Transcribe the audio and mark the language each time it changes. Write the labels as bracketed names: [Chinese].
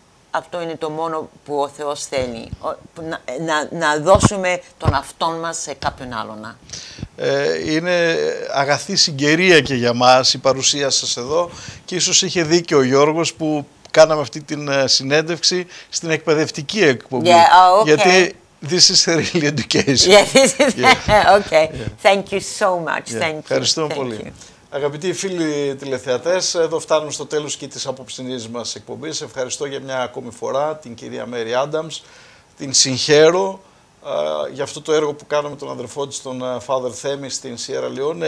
[Greek] Αυτό είναι το μόνο που ο Θεός θέλει, να δώσουμε τον αυτόν μας σε κάποιον άλλον. Είναι αγαθή συγκαιρία και για μας η παρουσία σας εδώ και ίσως είχε δίκιο ο Γιώργος που κάναμε αυτή την συνέντευξη στην εκπαιδευτική εκπομπή. [English] Yeah, okay. [Greek] Γιατί [English] this is real education. Yeah, this is okay. Yeah. Thank you so much. Yeah. Thank you. [Greek] Ευχαριστούμε [English] Thank [Greek] πολύ. [English] You. [Greek] Αγαπητοί φίλοι τηλεθεατές, εδώ φτάνουμε στο τέλος και της απόψινής μας εκπομπής. Ευχαριστώ για μια ακόμη φορά την κυρία Μέρι Άνταμς, την συγχαίρω για αυτό το έργο που κάνουμε τον αδερφό της, τον Father Themi στην Σιέρα Λεόνε.